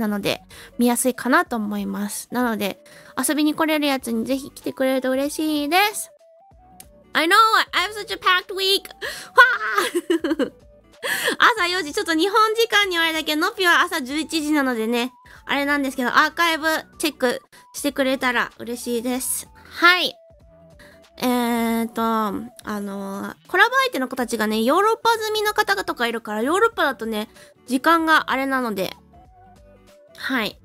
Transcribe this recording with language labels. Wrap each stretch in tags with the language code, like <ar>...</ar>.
<ja>なので、見やすいかなと思います。なので、遊びに来れるやつにぜひ来てくれると嬉しいです。</ja> <en>I know! I have such a packed week!</en> <ja>わー！朝4時、ちょっと日本時間にあれだけど、ノピは朝11時なのでね。あれなんですけど、アーカイブチェックしてくれたら嬉しいです。はい。コラボ相手の子たちがね、ヨーロッパ住みの方とかいるから、ヨーロッパだとね、時間があれなので、はい。</ja>